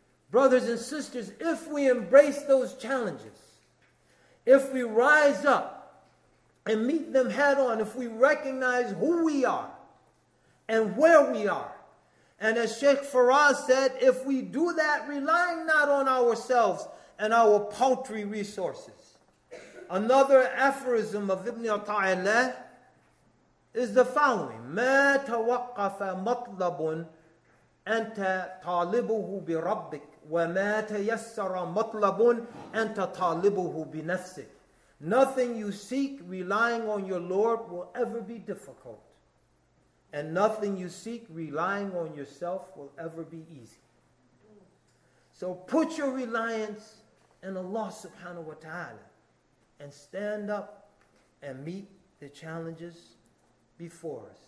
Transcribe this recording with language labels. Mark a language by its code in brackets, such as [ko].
[en] Brothers and sisters, if we embrace those challenges, if we rise up and meet them head on, if we recognize who we are and where we are, and as Sheikh Faraz said, if we do that relying not on ourselves and our paltry resources. Another aphorism of Ibn al-Ta'ilah is the following: [ar] ما توقف مطلب أنت طالبه بربك وما تيسر مطلب أنت طالبه بنفسك. [en] Nothing you seek relying on your Lord will ever be difficult, and nothing you seek relying on yourself will ever be easy. So put your reliance in Allah subhanahu wa ta'ala and stand up and meet the challenges before us.